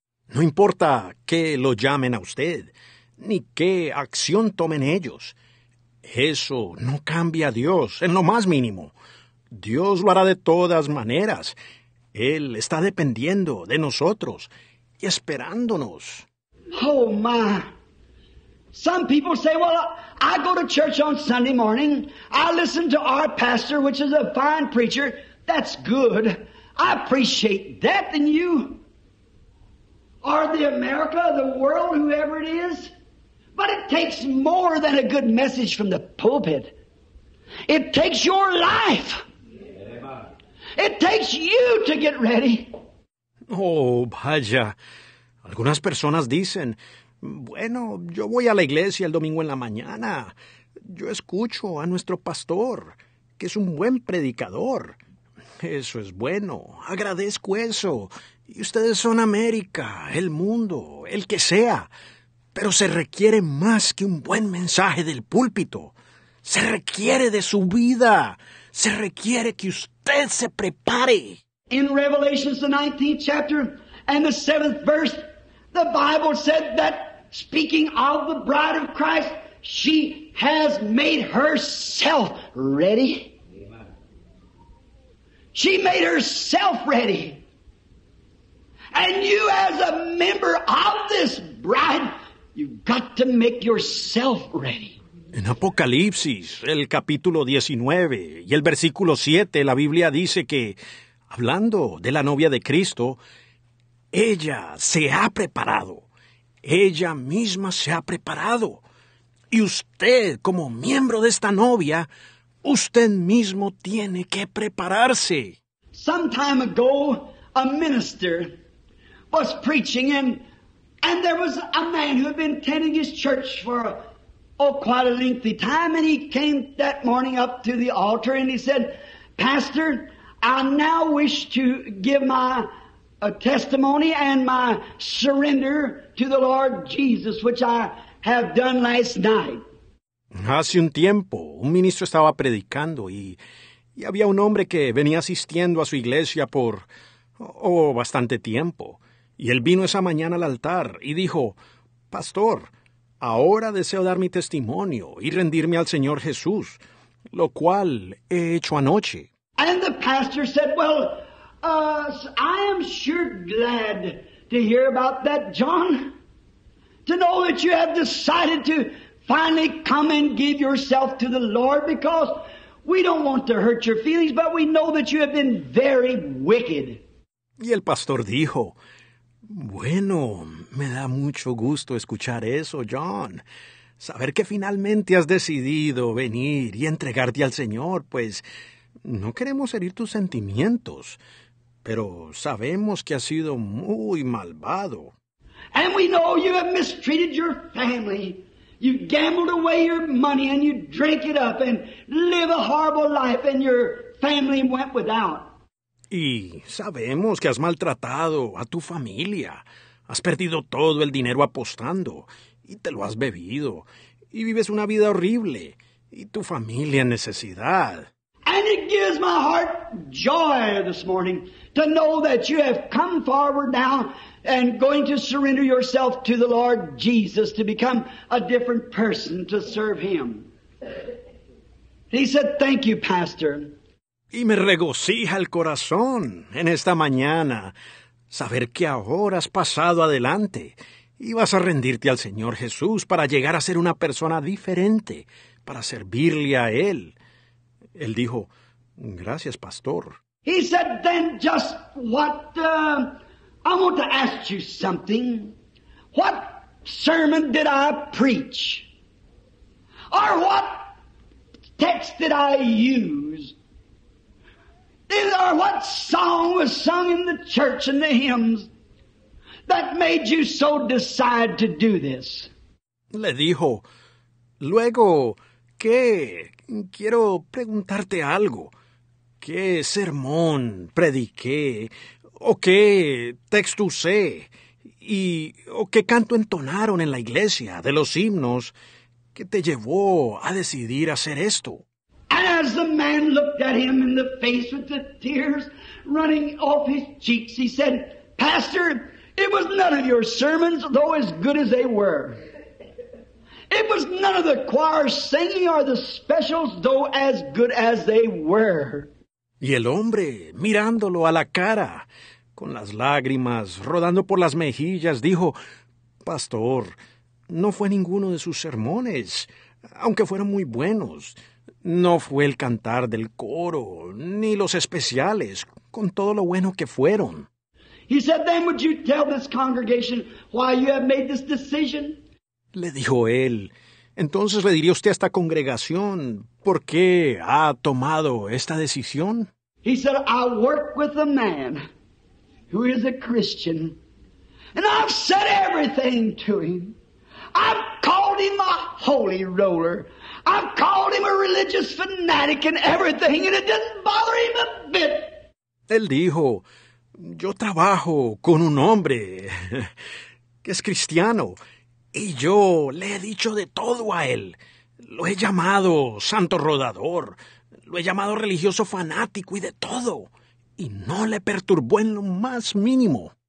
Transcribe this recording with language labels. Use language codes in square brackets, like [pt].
[es] No importa qué lo llamen a usted, ni qué acción tomen ellos. Eso no cambia a Dios en lo más mínimo. Dios lo hará de todas maneras. Él está dependiendo de nosotros y esperándonos. [en] Oh, my. Some people say, well, I go to church on Sunday morning. I listen to our pastor, which is a fine preacher. That's good. I appreciate that than you. Or the America, the world, whoever it is. But it takes more than a good message from the pulpit. It takes your life. It takes you to get ready. [es] Oh, vaya. Algunas personas dicen, bueno, yo voy a la iglesia el domingo en la mañana. Yo escucho a nuestro pastor, que es un buen predicador. Eso es bueno. Agradezco eso. Y ustedes son América, el mundo, el que sea. Pero se requiere más que un buen mensaje del púlpito. Se requiere de su vida. Se requiere que usted se prepare. [en] In Revelation, the 19th chapter and the 7th verse, the Bible said that, speaking of the bride of Christ, she has made herself ready. She made herself ready. And you, as a member of this bride, you've got to make yourself ready. [es] En Apocalipsis, el capítulo 19 y el versículo 7, la Biblia dice que, hablando de la novia de Cristo, ella se ha preparado. Ella misma se ha preparado. Y usted, como miembro de esta novia, usted mismo tiene que prepararse. [en] Some time ago, a minister was preaching, and there was a man who had been attending his church for quite a lengthy time, and he came that morning up to the altar, and he said, Pastor, I now wish to give my testimony and my surrender to the Lord Jesus, which I have done last night. [es] Hace un tiempo, un ministro estaba predicando y había un hombre que venía asistiendo a su iglesia por bastante tiempo. Y él vino esa mañana al altar y dijo, Pastor, ahora deseo dar mi testimonio y rendirme al Señor Jesús, lo cual he hecho anoche. [en] And the pastor said, well, I am sure glad to hear about that, John, to know that you have decided to finally come and give yourself to the Lord, because we don't want to hurt your feelings, but we know that you have been very wicked. [es] Y el pastor dijo, bueno, me da mucho gusto escuchar eso, John. Saber que finalmente has decidido venir y entregarte al Señor, pues no queremos herir tus sentimientos, pero sabemos que has sido muy malvado. [en] And we know you have mistreated your family. You gambled away your money and you drank it up and live a horrible life and your family went without. [es] Y sabemos que has maltratado a tu familia. Has perdido todo el dinero apostando y te lo has bebido. Y vives una vida horrible y tu familia en necesidad. [en] And it gives my heart joy this morning to know that you have come forward now and going to surrender yourself to the Lord Jesus to become a different person to serve Him. He said, thank you, Pastor. [es] Y me regocija el corazón en esta mañana saber que ahora has pasado adelante y vas a rendirte al Señor Jesús para llegar a ser una persona diferente, para servirle a Él. Él dijo, gracias, Pastor. [en] He said, then just what, I want to ask you something. What sermon did I preach? Or what text did I use? Or what song was sung in the church and the hymns that made you so decide to do this? [es] Le dijo, luego, ¿qué? Quiero preguntarte algo. ¿Qué sermón prediqué? ¿O qué texto usé? ¿Y o qué canto entonaron en la iglesia de los himnos que te llevó a decidir hacer esto? [en] As the man looked at him in the face with the tears running off his cheeks, he said, Pastor, it was none of your sermons, though as good as they were. It was none of the choir singing or the specials, though as good as they were. [es] Y el hombre, mirándolo a la cara, con las lágrimas rodando por las mejillas, dijo, Pastor, no fue ninguno de sus sermones, aunque fueron muy buenos. No fue el cantar del coro, ni los especiales, con todo lo bueno que fueron. [en] He said, then would you tell this congregation why you have made this decision? [es] Le dijo él, entonces le diría usted a esta congregación, ¿por qué ha tomado esta decisión? [en] He said, I work with a man who is a Christian, and I've said everything to him. I've called him a holy roller. I've called him a religious fanatic and everything, and it didn't bother him a bit. [es] Él dijo, yo trabajo con un hombre que es cristiano, y yo le he dicho de todo a él. Lo he llamado santo rodador, lo he llamado religioso fanático y de todo, y no le perturbó en lo más mínimo.